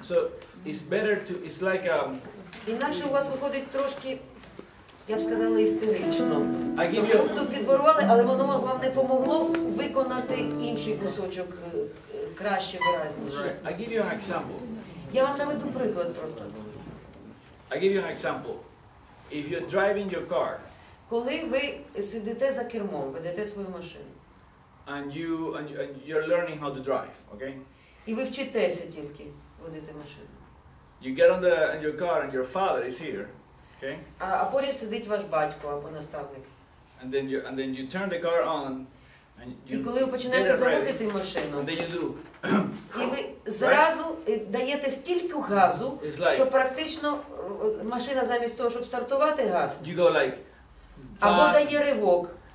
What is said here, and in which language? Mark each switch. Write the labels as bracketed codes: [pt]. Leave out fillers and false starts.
[en] So it's better to it's like [uk] інакше у вас виходить трошки, я б сказала, істерично. Тут підворували, але воно вам не помогло виконати інший кусочок. Краще, виразніше. [en] I give you an example. [uk] Я вам наведу приклад просто. [en] I give you an example. If you're driving your car. [uk] Коли ви сидите за кермом, ведете свою машину. [en] And you're learning how to drive, okay? [uk] І ви вчитеся тільки водити машину. [en] You get on the in your car and your father is here, okay? [uk] А поряд сидить ваш батько або наставник. [en] And then you turn the car on. [uk] І коли ви починаєте заводити машину, і ви зразу даєте стільки газу, що практично машина замість того, щоб стартувати газ, або дає ривок.